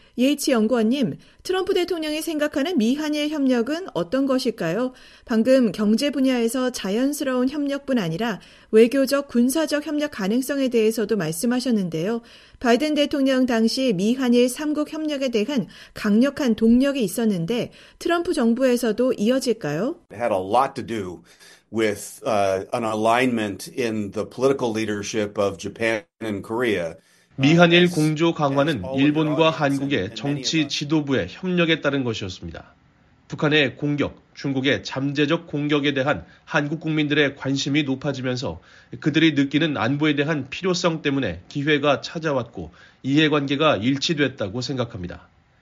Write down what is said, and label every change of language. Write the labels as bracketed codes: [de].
[ko] 예이치 연구원님, 트럼프 대통령이 생각하는 미한일 협력은 어떤 것일까요? 방금 경제 분야에서 자연스러운 협력뿐 아니라 외교적, 군사적 협력 가능성에 대해서도 말씀하셨는데요. 바이든 대통령 당시 미한일 3국 협력에 대한 강력한 동력이 있었는데 트럼프 정부에서도 이어질까요? [en] It had a lot to do with an alignment in the political leadership of Japan and Korea. [ko] 미한일 공조 강화는 일본과 한국의 정치 지도부의 협력에 따른 것이었습니다. 북한의 공격, 중국의 잠재적 공격에 대한 한국 국민들의 관심이 높아지면서 그들이 느끼는 안보에 대한 필요성 때문에 기회가 찾아왔고 이해관계가 일치됐다고 생각합니다.